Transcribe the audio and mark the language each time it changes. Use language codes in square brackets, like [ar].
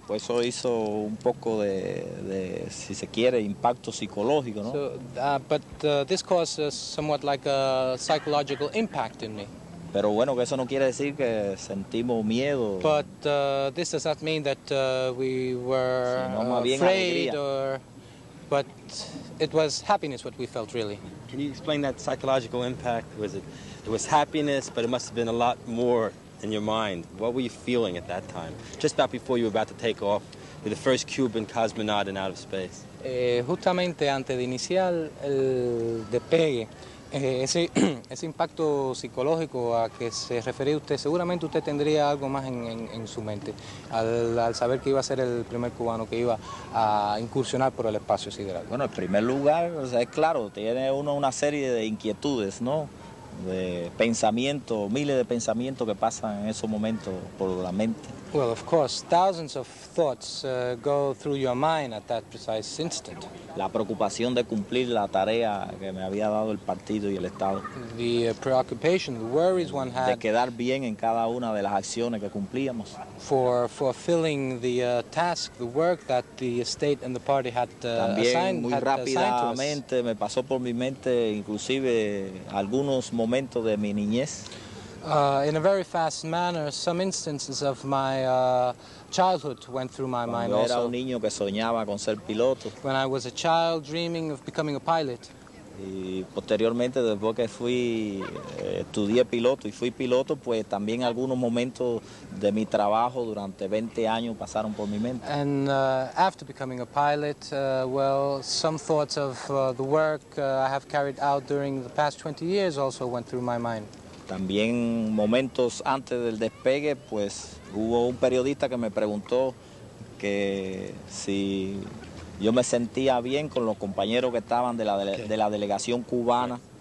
[es] Pues eso hizo un poco de si se quiere, impacto psicológico, ¿no? [en] So, but this caused somewhat like a psychological impact in me. [es] Pero bueno, que eso no quiere decir que sentimos miedo. [en] But this does not mean that we were afraid, or, but it was happiness what we felt, really. Can you explain that psychological impact? Was it was happiness, but it must have been a lot more in your mind. What were you feeling at that time? Just about before you were about to take off, you're the first Cuban cosmonaut in outer space. [es] Justamente antes de iniciar el despegue, ese impacto psicológico a que se refería usted, seguramente usted tendría algo más en su mente al saber que iba a ser el primer cubano que iba a incursionar por el espacio sideral. Bueno, en primer lugar, o sea, es claro, tiene uno una serie de inquietudes, ¿no? De pensamiento, miles de pensamientos que pasan en esos momentos por la mente. [en] Well, of course, thousands of thoughts go through your mind at that precise instant. [es] La preocupación de cumplir la tarea que me había dado el partido y el Estado. [en] The preoccupation, the worries one had. [es] De quedar bien en cada una de las acciones que cumplíamos. [en] For fulfilling the task, the work that the state and the party had assigned. [es] Muy rápidamente me pasó por mi mente, inclusive algunos momentos de mi niñez. [en] In a very fast manner, some instances of my childhood went through my [es] Cuando [en] mind [es] era [en] also. [es] Un niño que soñaba con ser piloto. [en] When I was a child dreaming of becoming a pilot. [es] Y posteriormente, después que fui, estudié piloto y fui piloto, pues también algunos momentos de mi trabajo durante 20 años pasaron por mi mente. [en] And after becoming a pilot, well, some thoughts of the work I have carried out during the past 20 years also went through my mind. [es] También momentos antes del despegue, pues hubo un periodista que me preguntó que si yo me sentía bien con los compañeros que estaban de la delegación cubana.